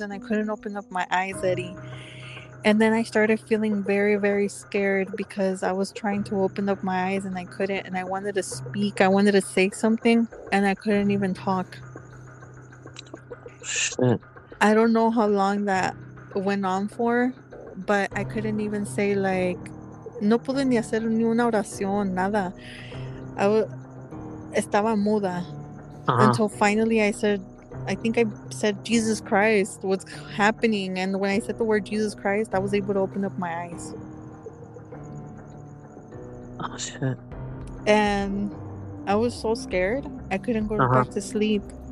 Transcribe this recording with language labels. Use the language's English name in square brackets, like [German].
[English] And I couldn't open up my eyes, Eddie. And then I started feeling very, very scared. Because I was trying to open up my eyes and I couldn't. And I wanted to speak. I wanted to say something. And I couldn't even talk. Shit. I don't know how long that went on for. But I couldn't even say, like... [Spanish] No pude ni hacer ni una oración, nada. I estaba muda. Uh-huh. [English] Until finally I said, I think I said, Jesus Christ, what's happening? And when I said the word Jesus Christ, I was able to open up my eyes. Oh, shit. And I was so scared. I couldn't go uh-huh. back to sleep.